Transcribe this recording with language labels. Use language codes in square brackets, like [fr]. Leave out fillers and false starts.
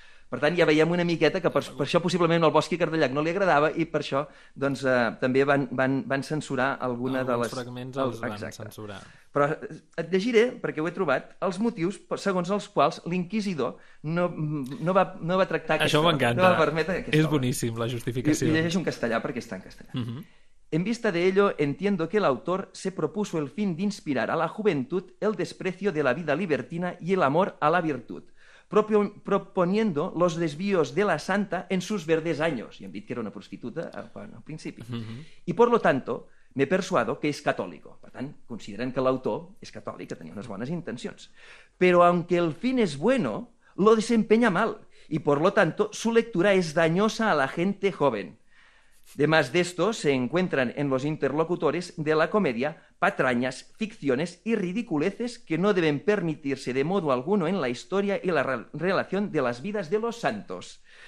[ca] Per tant, ja veiem una miqueta que per això possiblement al Bosch i Cardellac no li agradava, i per això doncs, també van censurar alguna alguns de les... fragments els van censurar. Però et llegiré, perquè ho he trobat, els motius segons els quals l'inquisidor no va tractar això aquesta... Això m'encanta. No, és boníssim, la justificació. I llegeixo en castellà perquè està en castellà. [es] En vista de ello, entiendo que el autor se propuso el fin de inspirar a la juventud el desprecio de la vida libertina y el amor a la virtud, proponiendo los desvíos de la santa en sus verdes años. [ca] I hem dit que era una prostituta al principi. [es] Y por lo tanto, me persuado que es católico. [ca] Per tant, consideren que l'autor és catòlic, que tenia unes bones intencions. [es] Pero aunque el fin es bueno, lo desempeña mal. Y por lo tanto, su lectura es dañosa a la gente joven. Además de esto, se encuentran en los interlocutores de la comedia patrañas, ficciones y ridiculeces que no deben permitirse de modo alguno en la historia y la relación de las vidas de los santos.